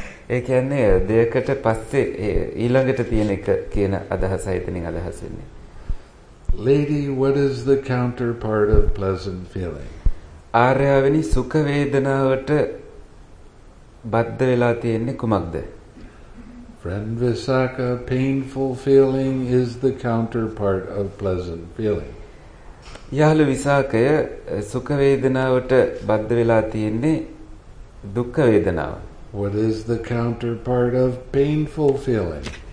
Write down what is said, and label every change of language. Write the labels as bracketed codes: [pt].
[si] ඒ කියන්නේ දෙයකට පස්සේ ඊළඟට තියෙන එක කියන අදහස හිතෙනින් අදහස් වෙන්නේ. [en] Lady, what is the counterpart of pleasant feeling? [si] ආර්යවනි සුඛ වේදනාවට බද්ධ වෙලා තියෙන්නේ කුමක්ද? [en] Friend Visakha, painful feeling is the counterpart of pleasant feeling. [si] යහළු විසාකය සුඛ වේදනාවට බද්ධ වෙලා තියෙන්නේ දුක් වේදනාව. [en] What is the counterpart of painful feeling?